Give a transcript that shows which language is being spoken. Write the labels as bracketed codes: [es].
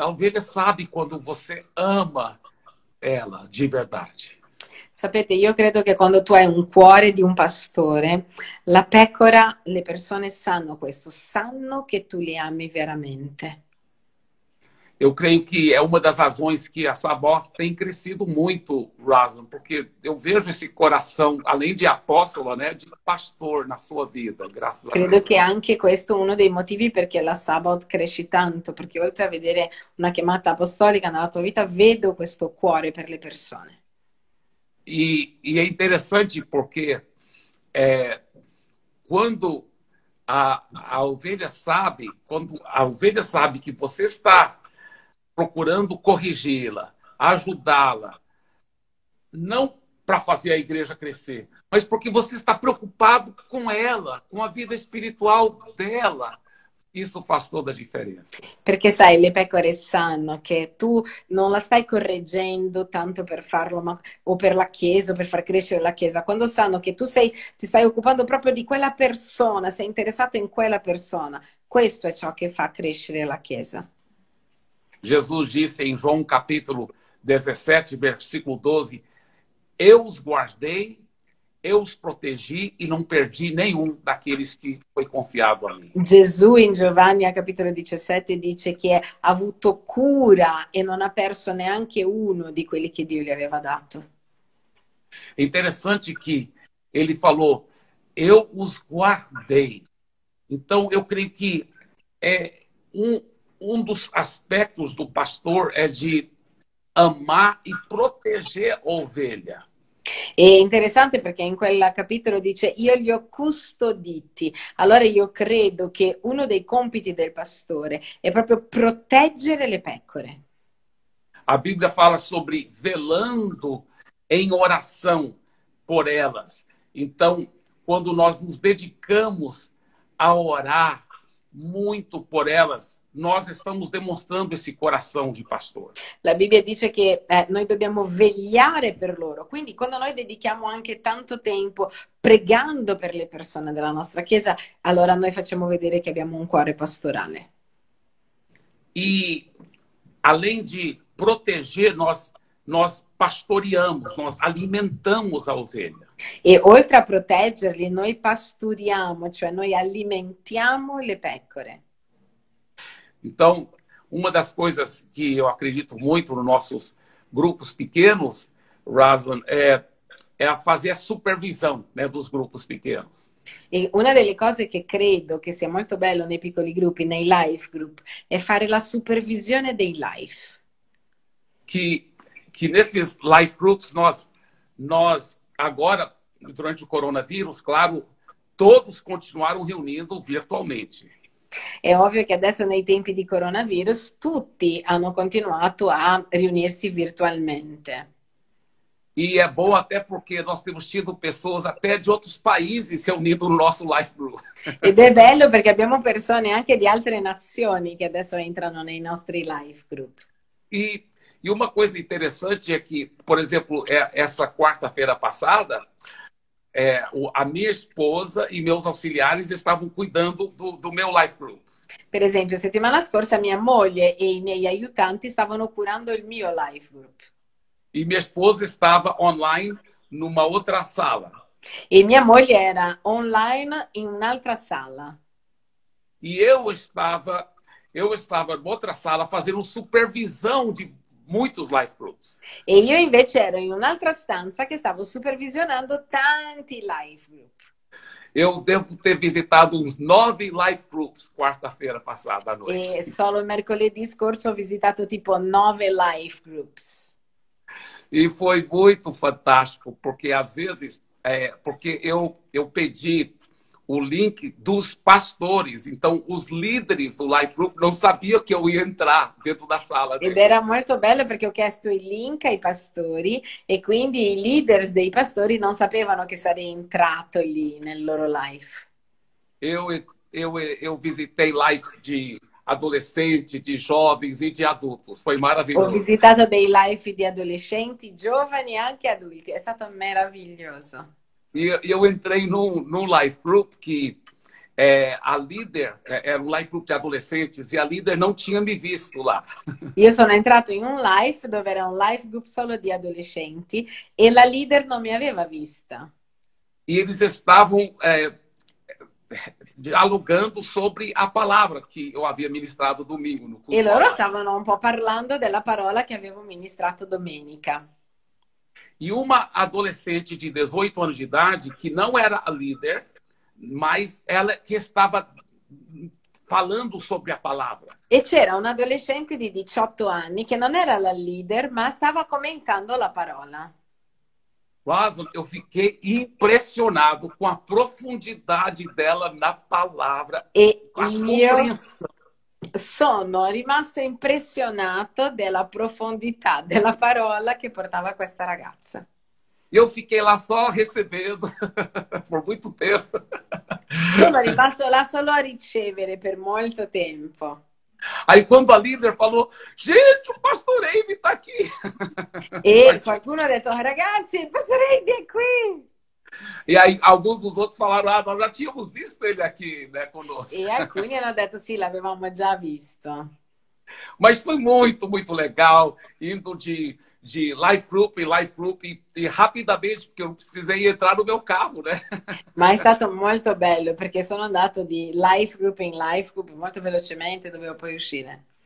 [pt] A ovelha sabe quando você ama ela de verdade. [it] Sapete, io credo che quando tu hai un cuore di un pastore, la pecora, le persone sanno questo, sanno che tu li ami veramente. [pt] Eu creio que é uma das razões que a Sabor tem crescido muito, Razan, porque eu vejo esse coração, além de apóstolo, né, de pastor na sua vida, graças [it] credo [pt] a Deus. [it] Que anche questo uno dei motivi perché la Sabaoth cresce tanto, perché oltre a vedere una chiamata apostolica nella tua vita, vedo questo cuore per le persone. [pt] E é interessante porque quando a ovelha sabe, quando a ovelha sabe que você está procurando corrigi-la, ajudá-la, não para fazer a igreja crescer, mas porque você está preocupado com ela, com a vida espiritual dela. Isso faz toda a diferença. [it] Perché sai, le pecore sanno che tu non la stai correggendo tanto per farlo, ma, o per la Chiesa, o per far crescere la Chiesa. Quando sanno che tu sei, ti stai occupando proprio di quella persona, sei interessato in quella persona, questo è ciò che fa crescere la Chiesa. [pt] Jesus disse em João capítulo 17, versículo 12: Eu os guardei, eu os protegi e não perdi nenhum daqueles que foi confiado a mim. [it] Gesù in Giovanni a capitolo 17 dice che ha avuto cura e non ha perso neanche uno di quelli che Dio gli aveva dato. [pt] Interessante que ele falou: Eu os guardei. Então, eu creio que um dos aspectos do pastor é de amar e proteger a ovelha. [it] È interessante perché in quel capitolo dice io li ho custoditi. Allora io credo che uno dei compiti del pastore è proprio proteggere le pecore. [pt] A Bíblia fala sobre velando em oração por elas. Então, quando nós nos dedicamos a orar muito por elas, nós estamos demonstrando esse coração de pastor. [it] La Bibbia dice che noi dobbiamo vegliare per loro, quindi quando noi dedichiamo anche tanto tempo pregando per le persone della nostra chiesa, allora noi facciamo vedere che abbiamo un cuore pastorale. [pt] E além de proteger, nós pastoreamos, nós alimentamos a ovelha. [it] E oltre a proteggerli, noi pasturiamo, cioè noi alimentiamo le pecore. [pt] Então, uma das coisas que eu acredito muito nos nossos grupos pequenos, Raslan, é a fazer a supervisão, né, dos grupos pequenos. [it] E una delle cose che credo che sia molto bello nei piccoli gruppi, nei life group, è fare la supervisione dei life. [pt] Que nesses life groups nós agora, durante o coronavírus, claro, todos continuaram reunindo virtualmente. [it] È ovvio che adesso nei tempi di coronavirus tutti hanno continuato a riunirsi virtualmente. [pt] E é bom até porque nós temos tido pessoas até de outros países reunindo no nosso Life Group. [it] Ed è bello perché abbiamo persone anche di altre nazioni che adesso entrano nei nostri life group. [pt] E uma coisa interessante é que, por exemplo, essa quarta-feira passada, a minha esposa e meus auxiliares estavam cuidando do meu Life Group. [it] Per esempio, settimana scorsa mia moglie e i miei aiutanti stavano curando il mio life group. [pt] E minha esposa estava online numa outra sala. [it] E mia moglie era online in un'altra sala. [pt] E eu estava em outra sala fazendo supervisão de muitos life groups. [it] E io invece ero in un'altra stanza che stavo supervisionando tanti life group. [pt] Eu devo ter visitado uns 9 life groups quarta-feira passada à noite. [it] E solo mercoledì scorso ho visitato tipo 9 life groups. [pt] E foi muito fantástico, porque às vezes, porque eu pedi o link dos pastores, então os líderes do Life Group não sabiam que eu ia entrar dentro da sala [it] Ed [pt] dele. [it] era molto bello perché ho chiesto il link ai pastori e quindi i leaders dei pastori non sapevano che sarei entrato lì nel loro life. [pt] Eu visitei lives de adolescente, de jovens e de adultos, foi [it] Ho [pt] maravilhoso. [it] visitato dei life di adolescenti, giovani e anche adulti, è stato meraviglioso. [pt] E eu entrei num life group que a líder, era um life group de adolescentes, e a líder não tinha me visto lá. [it] Io sono entrato in un life dove era un life group solo di adolescenti e la leader non mi aveva vista. [pt] E eles estavam dialogando sobre a palavra que eu havia ministrado domingo no [it] culto. E loro stavano un po' parlando della parola che avevo ministrato domenica. [pt] E uma adolescente de 18 anos de idade, que não era a líder, mas ela que estava falando sobre a palavra. [it] E c'era un adolescente de 18 anni [pt] que não era la líder, mas estava comentando [it] la parola. [pt] Rosalind, eu fiquei impressionado com a profundidade dela na palavra. [it] E io sono rimasta impressionata della profondità della parola che portava questa ragazza. [pt] Eu fiquei lá só recebendo por muito tempo. [it] Sono rimasto là solo a ricevere per molto tempo. [pt] Aí quando a líder falou, gente, o pastor Amy está aqui. [it] E qualcuno ha detto, ragazzi, il pastor Amy è qui. [pt] E aí alguns dos outros falaram, ah, nós já tínhamos visto ele aqui, né, conosco. [it] E alcuni hanno detto, sì, l'avevamo già visto. [pt] Mas foi muito, muito legal, indo de life group em life group, e rapidamente, porque eu precisei entrar no meu carro, né? Mas é [it] stato molto bello, [pt] porque [it] sono andato de life group em life group, [pt] muito [it] velocemente, dovevo poi uscire.